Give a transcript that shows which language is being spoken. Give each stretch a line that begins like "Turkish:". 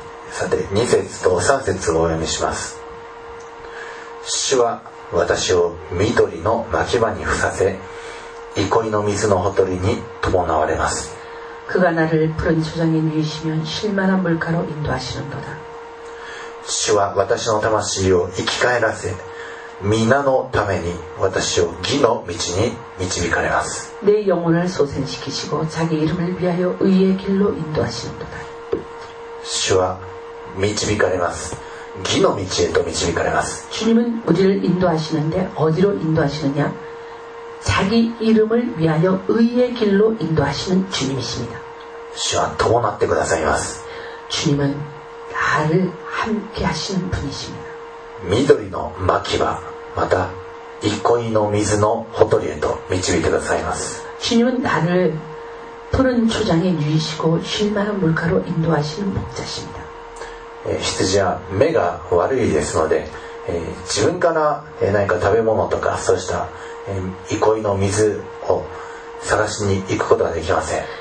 Japanese: さて2節と3節をお読みします主は私を緑の牧場に伏させ憩いの水のほとりに伴われます
Korean: 그가나를푸른초장에누이시면쉴만한물가로인도하시는도다
Japanese: 主は私の魂を生き返らせ皆のために私を義の道に導かれます
Korean: 내영혼을소생시키시고자기이름을위하여의의길로인도하시는도다
Japanese: 主は導かれます義の道へと導かれます
Korean: 주님은우리를인도하시는데어디로인도하시느냐자기이름을위하여의의길로인도하시는주님이십니다
Japanese: 主は伴ってくださいます
Korean: 주님은나를함께하시는분이십니다
Japanese: 緑の牧場また憩いの水のほとりへと導いてくださいます
Korean: 주님은나를푸른초장에누이시고쉴만한물가로인도하시는목자십니다
Japanese: 羊は目が悪いですので自分から何か食べ物とかそうした憩いの水を探しに行くことができません